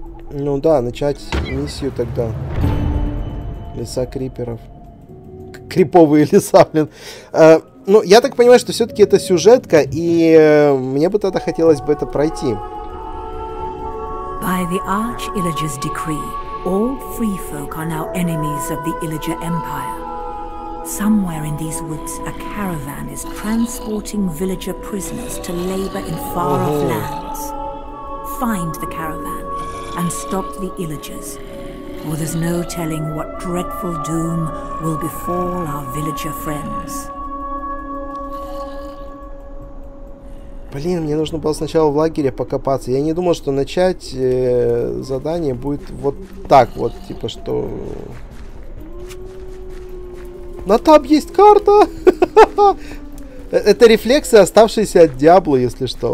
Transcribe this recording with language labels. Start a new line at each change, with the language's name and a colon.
Russian: Ну да, начать миссию тогда. Леса криперов. Криповые леса, блин. Ну, я так понимаю, что все-таки это сюжетка, и мне бы тогда хотелось бы это пройти.
English: By the Arch Illager's decree, all free folk are now enemies of the Illager Empire. Somewhere in these woods, a caravan is transporting villager prisoners to labor in far-off lands. Find the caravan and stop the Illagers, or there's no telling what dreadful doom will befall our villager friends.
Russian: Блин, мне нужно было сначала в лагере покопаться. Я не думал, что начать задание будет вот так вот, типа что... На таб есть карта! Это рефлексы, оставшиеся от Диабло, если что.